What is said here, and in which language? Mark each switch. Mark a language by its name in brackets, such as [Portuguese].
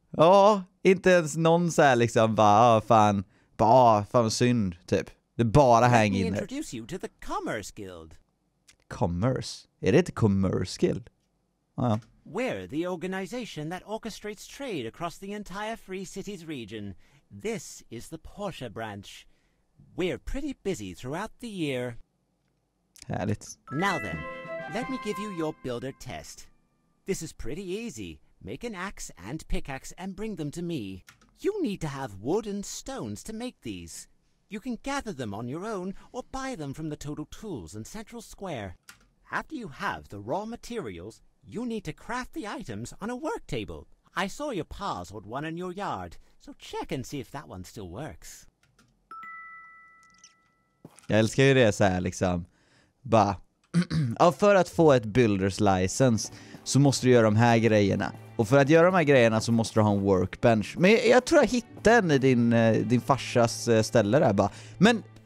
[Swedish] Ja, oh, inte ens någon så här liksom bara, oh, fan. Bara, fan synd, typ. Det är bara [English] hang in there. Let me introduce you to the Commerce Guild. Commerce? [Swedish] Är det inte Commerce Guild? [English] We're the organization that orchestrates trade across the entire Free Cities region. This is the Porsche branch. We're pretty busy throughout the year. [Swedish] Härligt. [English] Now then, let me give you your builder test. This is pretty easy. Make an axe and pickaxe and bring them to me. You need to have wood and stones to make these. You can gather them on your own or buy them from the Total Tools in Central Square. After you have the raw materials, you need to craft the items on a work table. I saw your pa's old one in your yard, so check and see if that one still works. [Swedish] Jag älskar ju det så här liksom. Bara, för att få ett builders license så måste du göra de här grejerna. Och för att göra de här grejerna så måste du ha en workbench. Men jag tror jag hittade en i din farsas ställe där. Bara. Men...